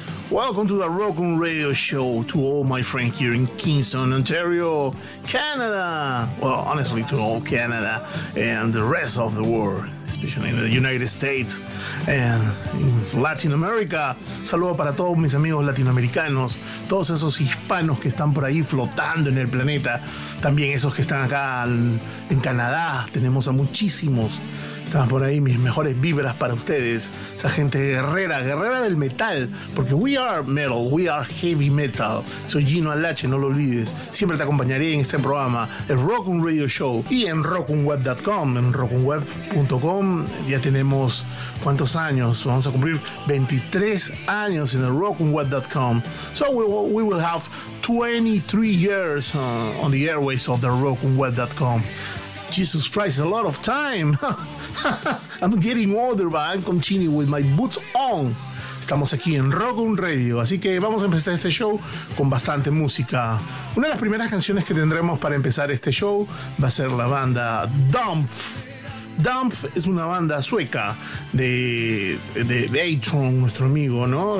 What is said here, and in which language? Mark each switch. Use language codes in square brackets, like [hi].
[en] Welcome to the Rock and Radio Show to all my friends here in Kingston, Ontario, Canada. Well, honestly, to all Canada and the rest of the world, especially in the United States and in Latin America. [es] Saludo para todos mis amigos latinoamericanos, todos esos hispanos que están por ahí flotando en el planeta, también esos que están acá en Canadá. Tenemos a muchísimos. Están por ahí mis mejores vibras para ustedes, esa gente guerrera, guerrera del metal, porque [en] we are metal, we are heavy metal. [es] Soy Gino Alache, no lo olvides, siempre te acompañaré en este programa, el Rockun Radio Show, y en rockunweb.com, en rockunweb.com ya tenemos, ¿cuántos años? Vamos a cumplir 23 años en el rockunweb.com, [en] so we will have 23 years on the airways of the rockunweb.com. Jesus Christ, a lot of time. I'm getting older, but I'm continuing with my boots on. [es] Estamos aquí en Rockun Radio, así que vamos a empezar este show con bastante música. Una de las primeras canciones que tendremos para empezar este show va a ser la banda Dumpf. Dumpf es una banda sueca de Atron, nuestro amigo, ¿no?